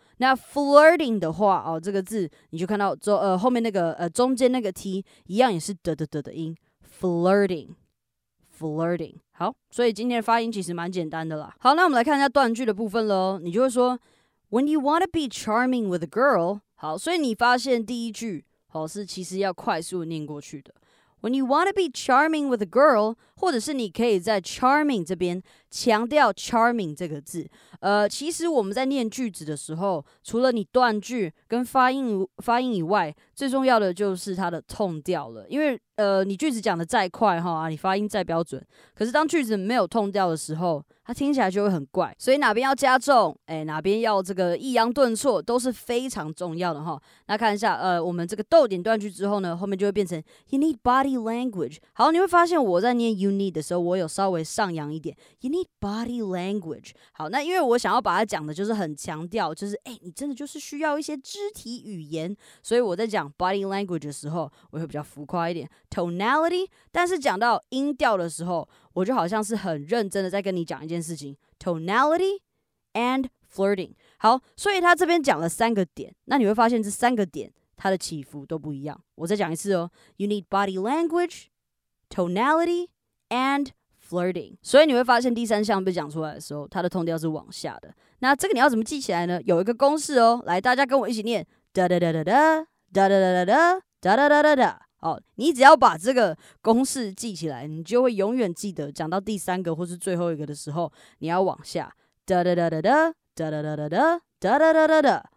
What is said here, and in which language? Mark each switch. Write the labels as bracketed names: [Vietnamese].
[Chinese] 那 flirting 的话哦，这个字你就看到后面那个中间那个 t 一样也是的音 ，flirting。 Flirting， 好，所以今天的发音其实蛮简单的啦。好，那我们来看一下断句的部分喽。你就会说 ， [English] When you want to be charming with a girl， [Chinese] 好，所以你发现第一句好是其实要快速念过去的。 [English] When you want to be charming with a girl, [Chinese] 或者是你可以在 charming 这边强调 charming 这个字。其实我们在念句子的时候，除了你断句跟发音以外，最重要的就是它的tone调了。因为你句子讲的再快哈，你发音再标准，可是当句子没有tone调的时候，它听起来就会很怪。所以哪边要加重，哪边要这个抑扬顿挫，都是非常重要的哈。那看一下，我们这个逗点断句之后呢，后面就会变成 [English] you need body language。 [Chinese] 好，你会发现我在念 [English] You need [Chinese] 的时候，我有稍微上扬一点。 [English] You need body language 。 [Chinese] 好，那因为我想要把它讲的就是很强调，就是你真的就是需要一些肢体语言，所以我在讲 body language 的时候，我会比较浮夸一点 tonality。但是讲到音调的时候，我就好像是很认真的在跟你讲一件事情 [English] tonality and flirting。 [Chinese] 好，所以他这边讲了三个点，那你会发现这三个点它的起伏都不一样。我再讲一次哦 ， [English] You need body language。 Tonality and flirting. [Chinese] 所以你会发现第三项被讲出来的时候，它的tone调是往下的。那这个你要怎么记起来呢？有一个公式哦，来，大家跟我一起念：哒哒哒哒哒哒哒哒哒哒哒哒哒哒哒。哦，你只要把这个公式记起来，你就会永远记得讲到第三个或是最后一个的时候，你要往下：哒哒哒哒哒哒哒哒哒哒哒哒哒哒哒。